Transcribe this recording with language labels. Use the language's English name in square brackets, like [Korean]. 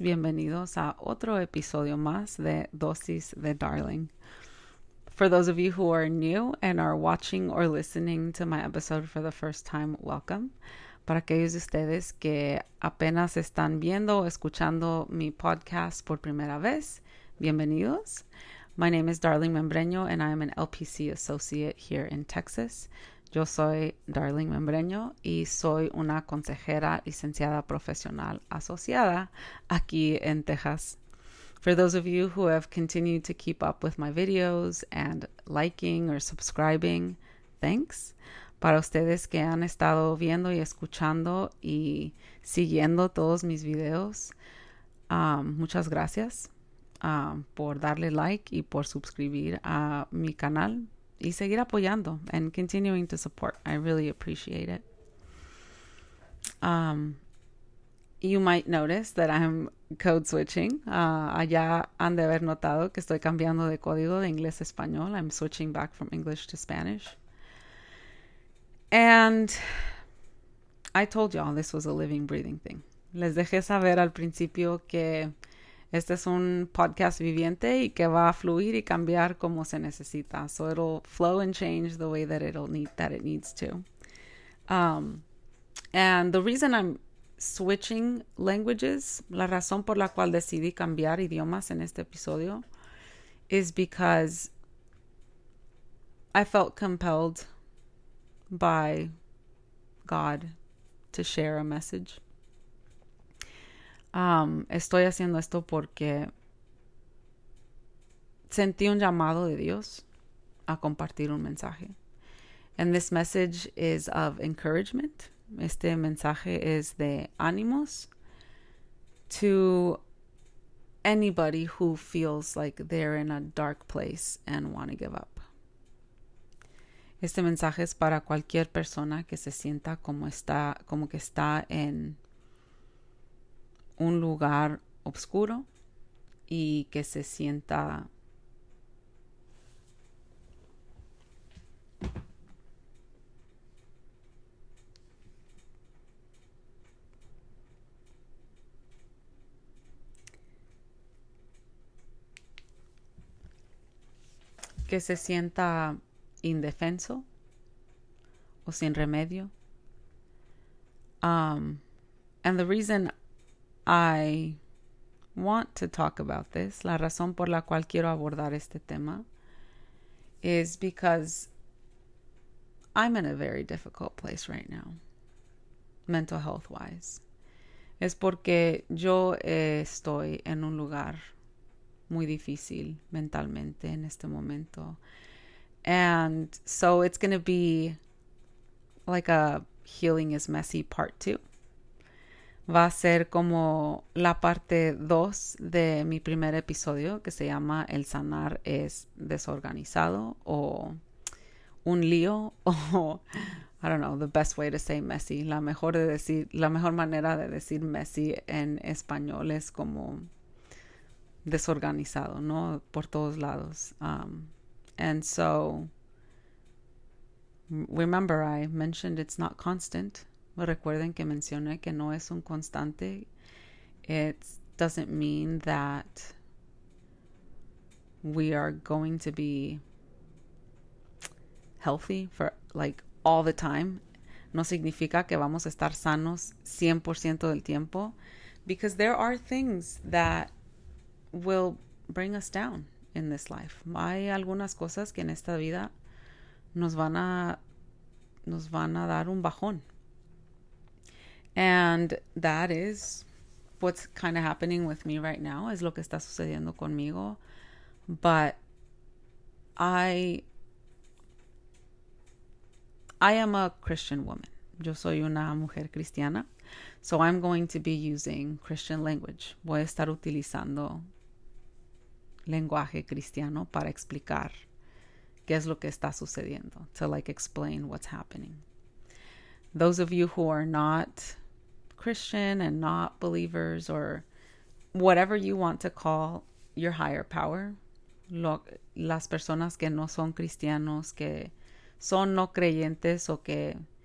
[Spanish] Bienvenidos a otro episodio más de Dosis de Darling. [English] For those of you who are new and are watching or listening to my episode for the first time, welcome. [Spanish] Para aquellos de ustedes que apenas están viendo o escuchando mi podcast por primera vez, bienvenidos. [English] My name is Darling Membreño, and I am an LPC associate here in Texas. [Spanish] Yo soy Darling Membreño y soy una consejera licenciada profesional asociada aquí en Texas. [English] For those of you who have continued to keep up with my videos and liking or subscribing, thanks. [Spanish] Para ustedes que han estado viendo y escuchando y siguiendo todos mis videos, muchas gracias por darle like y por suscribir a mi canal. Y seguir apoyando [English] and continuing to support. I really appreciate it. You might notice that I'm code switching. [Spanish] Allá han de haber notado que estoy cambiando de código de inglés a español. [English] I'm switching back from English to Spanish. And I told y'all this was a living, breathing thing. [Spanish] Les dejé saber al principio que este es un podcast viviente y que va a fluir y cambiar como se necesita. [English] So it'll flow and change the way that it needs to. And the reason I'm switching languages, [Spanish] la razón por la cual decidí cambiar idiomas en este episodio, [English] is because I felt compelled by God to share a message. [Spanish] Estoy haciendo esto porque sentí un llamado de Dios a compartir un mensaje. [English] And this message is of encouragement. [Spanish] Este mensaje es de ánimos [English] to anybody who feels like they're in a dark place and want to give up. [Spanish] Este mensaje es para cualquier persona que se sienta como que está en un lugar oscuro y que se sienta indefenso o sin remedio. [English] And the reason I want to talk about this, [Spanish] la razón por la cual quiero abordar este tema, [English] is because I'm in a very difficult place right now, mental health wise. [Spanish] Es porque yo estoy en un lugar muy difícil mentalmente en este momento. [English] And so it's going to be like a healing is messy part two. [Spanish] Va a ser como la parte 2 de mi primer episodio que se llama El sanar es desorganizado o un lío o [English] I don't know the best way to say messy. [Spanish] La mejor manera de decir messy en español es como desorganizado, ¿no? Por todos lados. [English] And so remember I mentioned it's not constant. [Spanish] Recuerden que mencioné que no es un constante. [English] It doesn't mean that we are going to be healthy for like all the time. [Spanish] No significa que vamos a estar sanos 100% del tiempo. [English] Because there are things that will bring us down in this life. [Spanish] Hay algunas cosas que en esta vida nos van a dar un bajón. [English] And that is what's kind of happening with me right now, [Spanish] es lo que está sucediendo conmigo. [English] But I am a Christian woman. [Spanish] Yo soy una mujer cristiana. [English] So I'm going to be using Christian language. [Spanish] Voy a estar utilizando lenguaje cristiano para explicar qué es lo que está sucediendo. [English] To like explain what's happening. Those of you who are not Christian and not believers or whatever you want to call your higher power, [Spanish] las personas que no son cristianos, que son no creyentes o que